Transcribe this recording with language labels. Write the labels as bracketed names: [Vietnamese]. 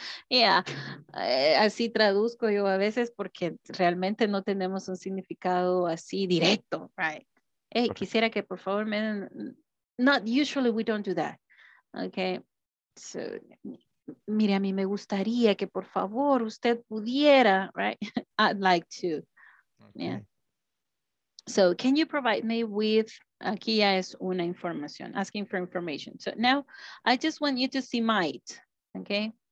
[Spanish] Yeah, así traduzco yo a veces porque realmente no tenemos un significado así directo, [English] right? Hey, [Spanish] quisiera que por favor, [English] man. Not usually we don't do that, okay? [Spanish] So, mire, a mí me gustaría que por favor usted pudiera, [English] right? I'd like to, okay. Yeah. So, can you provide me with [Spanish] Aquí ya es una información, [English] asking for information. So now I just want you to see might, okay?